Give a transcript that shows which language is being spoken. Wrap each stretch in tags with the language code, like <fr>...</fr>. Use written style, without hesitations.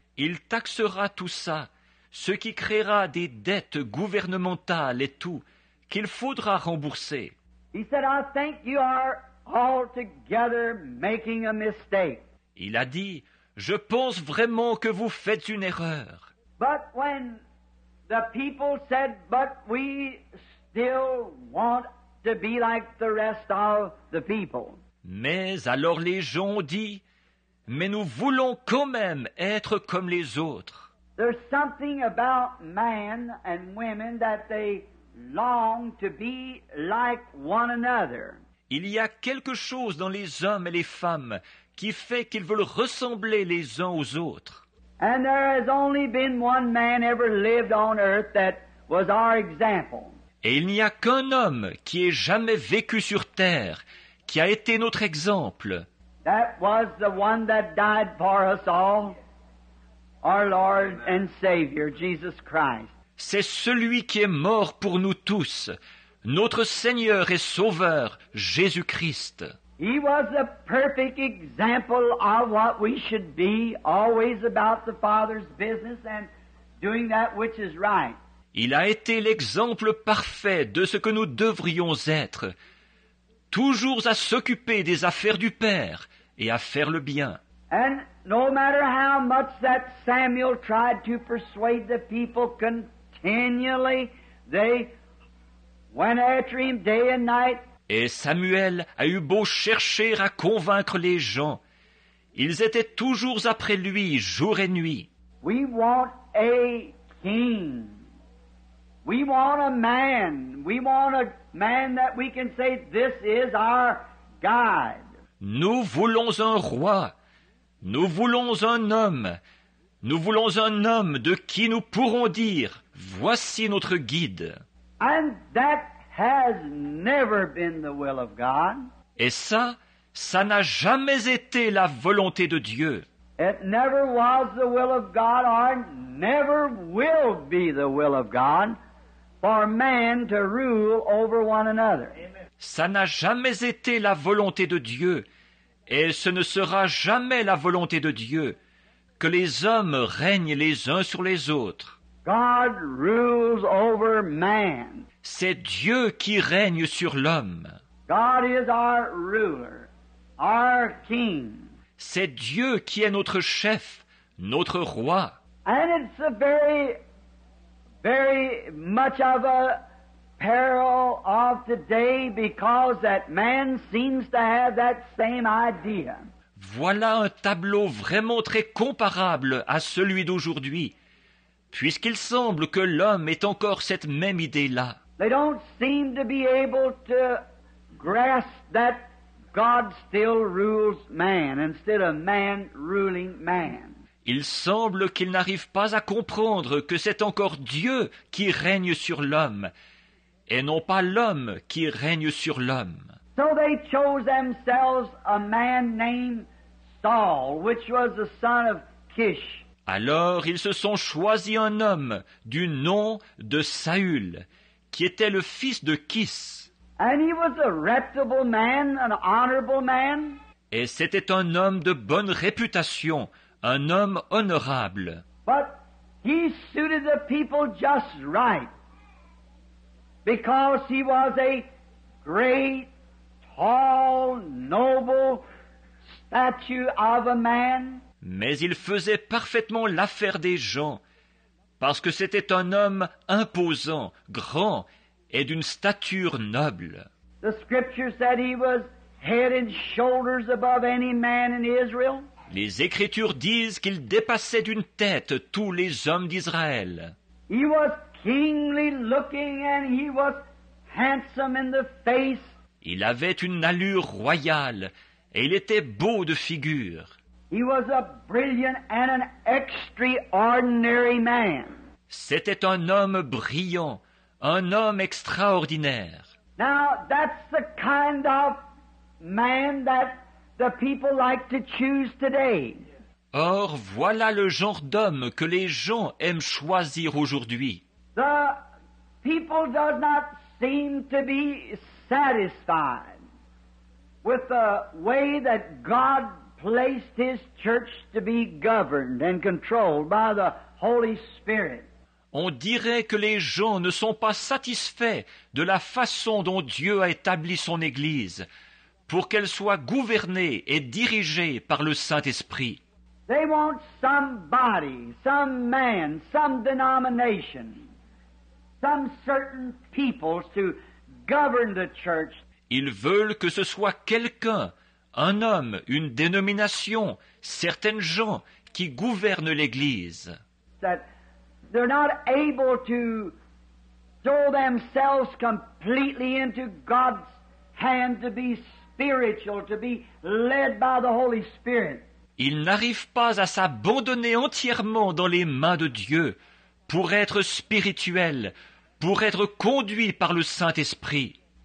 <fr>Il taxera tout ça, ce qui créera des dettes gouvernementales et tout, qu'il faudra rembourser.</fr> <en>He said, I think you are altogether making a mistake.</en> <fr>Il a dit, je pense vraiment que vous faites une erreur.</fr> <en>But when the people said, but we still want to be like the rest of the people.</en> <fr>Mais alors les gens ont dit, mais nous voulons quand même être comme les autres.</fr> <en>There's something about man and women that they long to be like one another.</en> <fr>Il y a quelque chose dans les hommes et les femmes qui fait qu'ils veulent ressembler les uns aux autres.</fr> <en>And there has only been one man ever lived on earth that was our example.</en> <fr>Et il n'y a qu'un homme qui ait jamais vécu sur terre qui a été notre exemple.</fr> <en>That was the one that died for us all, our Lord and Savior, Jesus Christ.</en> <fr>C'est celui qui est mort pour nous tous, notre Seigneur et Sauveur, Jésus-Christ.</fr> <en>He was a perfect example of what we should be, always about the Father's business and doing that which is right.</en> <fr>Il a été l'exemple parfait de ce que nous devrions être, toujours à s'occuper des affaires du Père et à faire le bien.</fr> <en>And no matter how much that Samuel tried to persuade the people continually, they went after him day and night.</en> <fr>Et Samuel a eu beau chercher à convaincre les gens, ils étaient toujours après lui jour et nuit.</fr> <en>We want a king. We want a man. We want a man that we can say this is our God.</en> <fr>Nous voulons un roi. Nous voulons un homme. Nous voulons un homme de qui nous pourrons dire voici notre guide.</fr> <en>And that has never been the will of God.</en> <fr>Et ça n'a jamais été la volonté de Dieu.</fr> <en>It never was the will of God or never will be the will of God. For man to rule over one another.</en> <fr>Ça n'a jamais été la volonté de Dieu, et ce ne sera jamais la volonté de Dieu, que les hommes règnent les uns sur les autres.</fr> <en>God rules over man.</en> <fr>C'est Dieu qui règne sur l'homme.</fr> <en>God is our ruler, our king.</en> <fr>C'est Dieu qui est notre chef, notre roi.</fr> <en>And it's a very much of a peril of today because that man seems to have that same idea.</en> <fr>Voilà un tableau vraiment très comparable à celui d'aujourd'hui, puisqu'il semble que l'homme ait encore cette même idée-là.</fr> <en>They don't seem to be able to grasp that God still rules man instead of man ruling man.</en> <fr>Il semble qu'ils n'arrivent pas à comprendre que c'est encore Dieu qui règne sur l'homme, et non pas l'homme qui règne sur l'homme.</fr> <en>So they chose themselves a man named Saul, which was the son of Kish.</en> <fr>Alors ils se sont choisis un homme du nom de Saül, qui était le fils de Kish.</fr> <en>And he was a reputable man, an honorable man.</en> <fr>Et c'était un homme de bonne réputation. Un homme honorable.</fr> <en>But he suited the people just right because he was a great, tall, noble statue of a man.</en> <fr>Mais il faisait parfaitement l'affaire des gens parce que c'était un homme imposant, grand et d'une stature noble.</fr> <en>The scripture said he was head and shoulders above any man in Israel.</en> <fr>Les Écritures disent qu'il dépassait d'une tête tous les hommes d'Israël.</fr> <en>He was kingly looking and he was handsome in the face.</en> <fr>Il avait une allure royale et il était beau de figure.</fr> <en>He was a brilliant and an extraordinary man.</en> <fr>C'était un homme brillant, un homme extraordinaire.</fr> <en>Now that's the kind of man that the people like to choose today.</en> <fr>Or, voilà le genre d'homme que les gens aiment choisir aujourd'hui.</fr> <en>The people does not seem to be satisfied with the way that God placed his church to be governed and controlled by the Holy Spirit.</en> <fr>On dirait que les gens ne sont pas satisfaits de la façon dont Dieu a établi son Église, pour qu'elle soit gouvernée et dirigée par le Saint-Esprit.</fr> <en>They want somebody, some man, some denomination, some certain people to govern the church.</en> <fr>Ils veulent que ce soit quelqu'un, un homme, une dénomination, certaines gens qui gouvernent l'Église.</fr> <en>That they're not able to throw themselves completely into God's hand to be spiritual, to be led by the Holy Spirit.</en> <fr>Ils n'arrivent pas à s'abandonner entièrement dans les mains de Dieu pour être spirituels, pour être conduits par le Saint-Esprit.</fr>